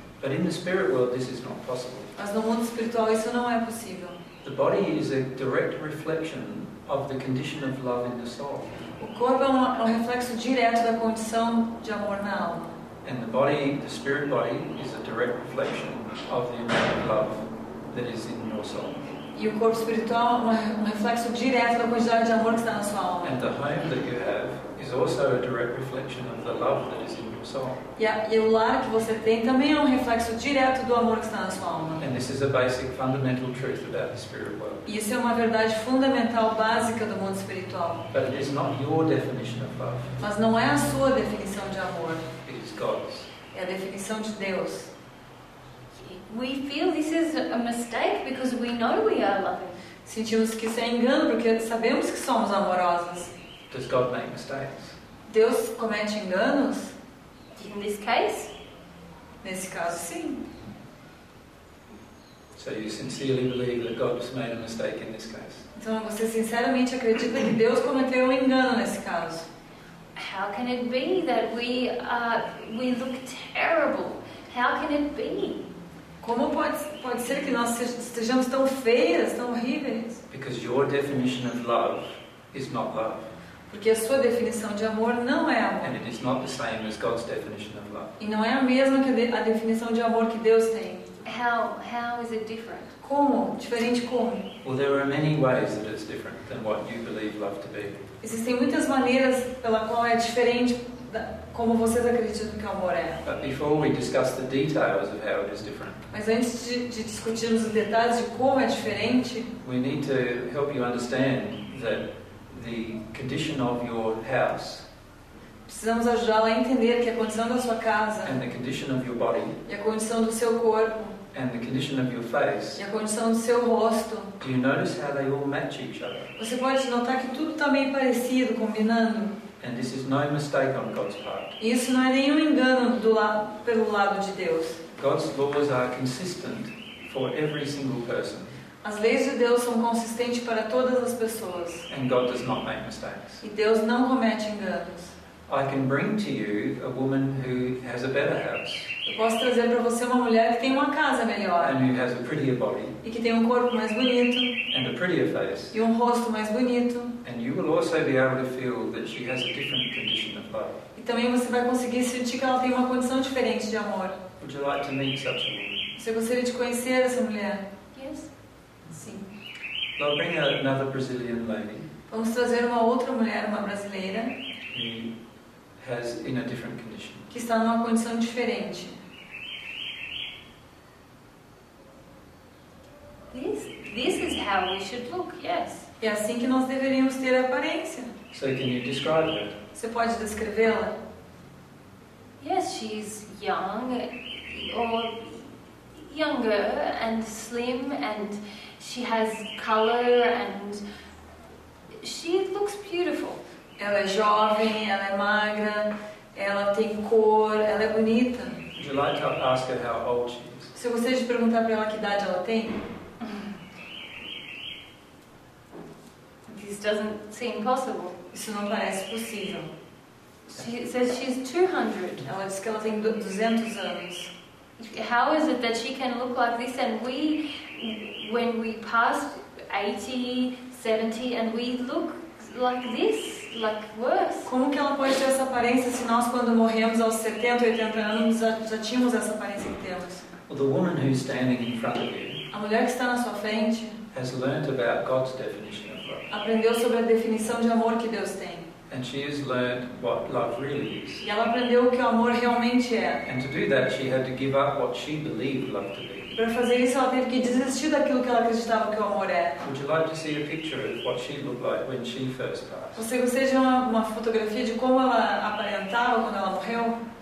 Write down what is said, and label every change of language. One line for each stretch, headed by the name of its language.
English: But in the spirit world, this is not possible.
Portuguese: Mas no mundo espiritual, isso não é possível.
English: The body is a direct reflection of the condition of love in the soul.
Portuguese: O corpo é um reflexo direto da condição de amor na alma.
English: And the body, the spirit body, is a direct reflection of the amount of love that is in your soul.
Portuguese: E o corpo espiritual é um reflexo direto da quantidade de amor que está na sua alma.
English: And the home that you have is also a direct reflection of the love that is in your soul.
Portuguese: E o lar que você tem também é um reflexo direto do amor que está na sua alma.
English: And this is a basic fundamental truth about the spirit world.
Portuguese: E isso é uma verdade fundamental básica do mundo espiritual.
English: But it is not your definition of love.
Portuguese: Mas não é a sua definição de amor.
English: God's.
Portuguese: É a definição de Deus.
English: We feel this is a mistake because we know we are loving.
Portuguese: Sentimos que isso é engano porque sabemos que somos amorosas.
English: Does God make mistakes?
Portuguese: Deus comete enganos?
English: In this case?
Portuguese: Nesse caso, sim.
English: So you sincerely believe that God has made a mistake in this case?
Portuguese: Então você sinceramente acredita que Deus cometeu engano nesse caso?
English: How can it be that we look terrible? How can it be?
Portuguese: Como pode ser que nós estejamos tão feias, tão horríveis?
English: Because your definition of love is not love.
Portuguese: Porque a sua definição de amor não é amor.
English: And it is not the same as God's definition of love.
Portuguese: E não é a mesma que a definição de amor que Deus tem.
English: How is it different?
Portuguese: Como? Diferente como?
English: Well, there are many ways that it's different than what you believe love to be.
Portuguese: Existem muitas maneiras pela qual é diferente como vocês acreditam que o amor é.
English: But before we discuss the details of how it is different.
Portuguese: Mas antes de discutirmos os detalhes de como é diferente,
English: we need to help you understand that the condition of your house.
Portuguese: Precisamos ajudá-la a entender que a condição da sua casa.
English: And the condition of your body.
Portuguese: E a condição do seu corpo.
English: And the condition of your face.
Portuguese: E a condição do seu rosto.
English: Do you notice how they all match each other?
Portuguese: Você pode notar que tudo está meio parecido, combinando.
English: And this is no mistake on God's part.
Portuguese: Isso não é nenhum engano pelo lado de Deus.
English: God's laws are consistent for every single person.
Portuguese: As leis de Deus são consistentes para todas as pessoas.
English: And God does not make mistakes.
Portuguese: E Deus não comete enganos.
English: I can bring to you a woman who has a better house.
Portuguese: Eu posso trazer para você uma mulher que tem uma casa melhor.
English: And who has a prettier body.
Portuguese: E que tem um corpo mais bonito.
English: And a prettier face.
Portuguese: E um rosto mais bonito.
English: And you will also be able to feel that she has a different condition of love.
Portuguese: E também você vai conseguir sentir que ela tem uma condição diferente de amor.
English: Would you like to meet such a woman?
Portuguese: Você gostaria de conhecer essa mulher?
English: Yes.
Portuguese: Sim.
English: I'll bring another Brazilian lady.
Portuguese: Vamos trazer uma outra mulher, uma brasileira.
English: Has in a different condition.
Portuguese: Que está numa condição diferente.
English: This is how we should look, yes.
Portuguese: É assim que nós deveríamos ter a aparência.
English: So can you describe her?
Portuguese: Você pode descrevê-la?
English: Yes, she is younger and slim and she has color and she looks beautiful.
Portuguese: Ela é jovem, ela é magra, ela tem cor, ela é bonita.
English: Would you like to ask her how old she is?
Portuguese: Se eu gostaria de perguntar para ela que idade ela tem?
English: This doesn't seem possible.
Portuguese: Isso não parece possível.
English: She says she's 200.
Portuguese: Ela diz que ela tem 200 anos.
English: How is it that she can look like this and we, when we pass 80, 70 and we look like this? Like worse.
Portuguese: Como que ela pode ter essa aparência se nós, quando morremos aos 70, 80 anos, já tínhamos essa aparência que temos?
English: Well, the woman who's standing in front of you,
Portuguese: a mulher que está na sua frente,
English: has learned about God's definition of love.
Portuguese: Aprendeu sobre a definição de amor que Deus tem.
English: And she has learned what love really is.
Portuguese: E ela aprendeu o que o amor realmente é.
English: And to do that, she had to give up what she believed love to be.
Portuguese: Para fazer isso, ela teve que desistir daquilo que ela acreditava que o amor é.
English: Would you like to see a picture of what she looked like when she first passed?
Portuguese: Você gostaria de uma fotografia de como ela aparentava quando ela morreu?